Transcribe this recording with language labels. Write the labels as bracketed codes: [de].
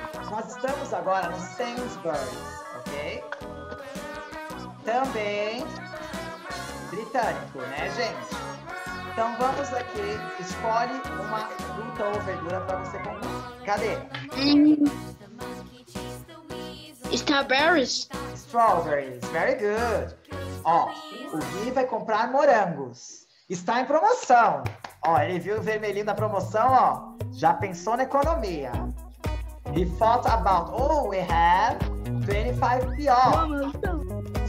[pt] Nós estamos agora no Sainsbury's, ok? Também britânico, né, gente? Então vamos aqui, escolhe uma fruta ou verdura para você comprar. Cadê? [en] Strawberries. Strawberries, very good. [pt] Ó, o Gui vai comprar morangos. Está em promoção. Ó, ele viu o vermelhinho da promoção, ó. Já pensou na economia. [en] He thought about, we have 25 PO.